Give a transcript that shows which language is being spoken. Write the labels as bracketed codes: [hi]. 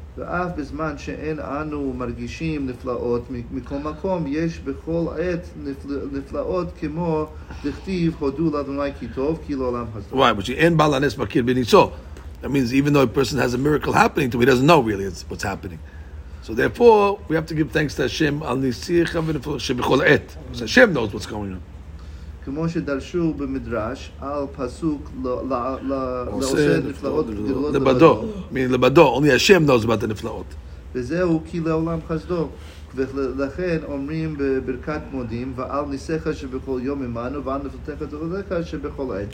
[he] ואף בזמן שאין אנו מרגישים נפלאות מכל מקום, יש בכל עת נפלאות כמו דכתיב, הודו לאדוני כי טוב, כי לעולם הזו. [en] Why? Because [he] אין בעל הנס מכיר בניסו. [en] That means even though a person has a miracle happening to him, he doesn't know really what's happening. So therefore, we have to give thanks to Hashem [he] על נסיך ונפלאות שבכל עת. [en] Because Hashem knows what's going on. [he] כמו שדרשו במדרש על פסוק לעושה נפלאות לבדו, מין לבדו, [en] only השם knows about the נפלאות. [he] וזהו כי לעולם חסדו, ולכן אומרים בברכת מודים, ועל ניסיך שבכל יום עמנו, ועל נפלאותיך ותודותיך שבכל עת.